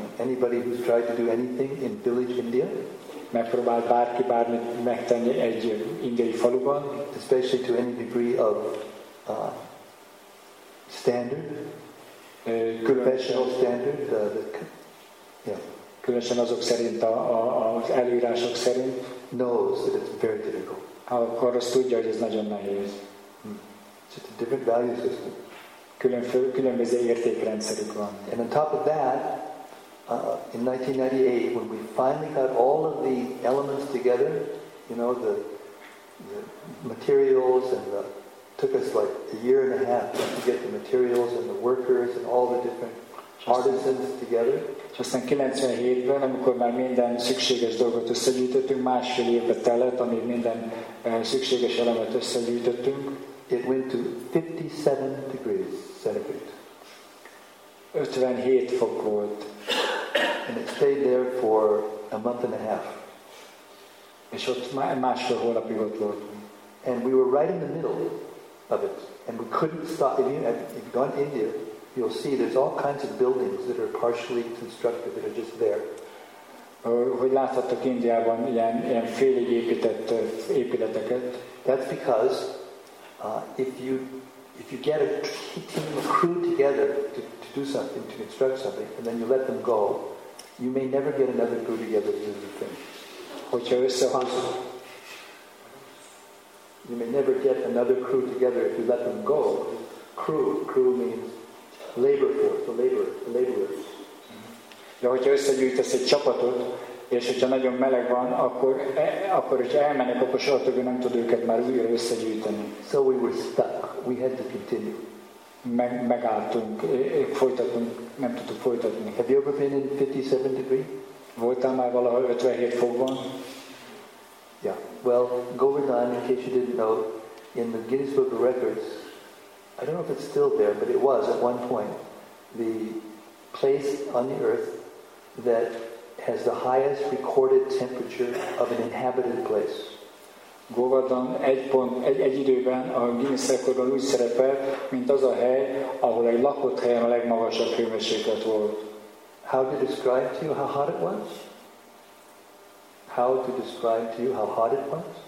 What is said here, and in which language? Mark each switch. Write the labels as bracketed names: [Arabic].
[English] Anybody who's tried to do anything in village India? [Hungarian] Megpróbált bárki bármit megtenni egy indiai faluban, [English] especially to any degree of standard, professional standard, [Hungarian] Különösen azok szerint az előírások szerint, [English] knows that it's very difficult. [Hungarian] Akkor azt tudja, hogy ez nagyon nehéz. [English] So it's a different value system. [Hungarian] Különböző értékrendszerük van. [English] And on top of that, in 1998, when we finally got all of the elements together, you know, the materials and the, took us like a year and a half to get the materials and the workers and all the different artisans together. [Hungarian] És aztán 97-ben, amikor már minden szükséges dolgot összegyűjtöttünk, másfél évbe telett, amíg minden szükséges elemet összegyűjtöttünk. [English] It went to 57 degrees centigrade. [Hungarian] 57 fok volt. [English] And it stayed there for a month and a half. [Hungarian] És ott másfél hónapig ott volt. [English] And we were right in the middle of it. And we couldn't stop. If you've gone to India, you'll see there's all kinds of buildings that are partially constructed that are just there. [Hungarian] Hogy láthattak Indiában ilyen félig épített épületeket. [English] That's because if you get a team of crew together to do something, to construct something, and then you let them go, you may never get another crew together to do the thing. [Hungarian] Hogyha összehangzott. [English] You may never get another crew together if you let them go. Crew means labor force, the laborers. [Hungarian] De hogyha összegyűjtesz egy csapatot, és hogyha nagyon meleg van, akkor hogyha elmennek, akkor soha többé nem tud őket már újra összegyűjteni. [English] So we were stuck. We had to continue. [Hungarian] Megálltunk, folytatunk, nem tudtuk folytatni. [English] Have you ever been in 57 degree? [Hungarian] Voltál már valahol 57 fokban? [English] Yeah. Well, Govardhan, in case you didn't know, in the Guinness Book of Records, I don't know if it's still there, but it was at one point, the place on the earth that has the highest recorded temperature of an inhabited place. [Hungarian] Govardhan egy időben a Guinness rekordban úgy szerepel, mint az a hely, ahol egy lakott helyen a legmagasabb hőmérséklet volt. [English] How to describe to you how hot it was? How to describe to you how hot it was?